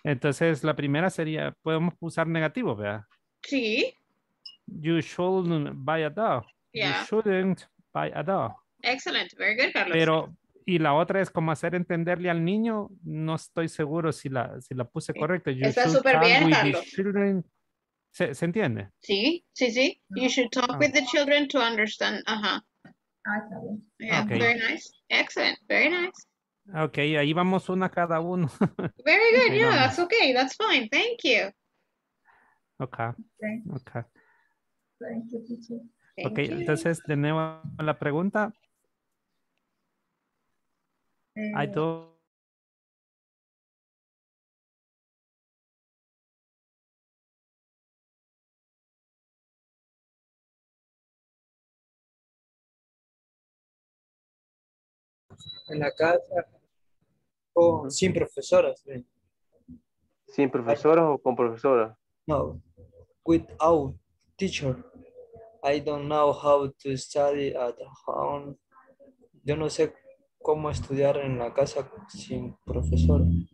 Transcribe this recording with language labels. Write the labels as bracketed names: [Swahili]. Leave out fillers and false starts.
[Spanish] Entonces, la primera sería, podemos usar negativo, ¿verdad? Sí. [English] You shouldn't buy a dog. Yeah. You shouldn't buy a dog. Excellent. Very good, Carlos. [Spanish] Pero, y la otra es como hacer entenderle al niño, no estoy seguro si la puse correcta. You está súper bien, Carlos. ¿Se entiende? Sí, sí, sí. [English] You should talk with the children to understand. Ajá. Uh-huh. Yeah, okay. Very nice. Excellent. Very nice. [Spanish] Okay, ahí vamos una cada uno. [English] Very good. Okay, yeah, vamos. That's okay. That's fine. Thank you. Okay. Okay. Okay. Thank you, teacher. [Spanish] Okay, entonces de nuevo la pregunta. [English] I don't. [Spanish] En la casa con sin profesoras. ¿Sin profesoras o con profesoras? [English] No, without teacher. I don't know how to study at home. [Spanish] Yo no sé cómo estudiar en la casa sin profesora.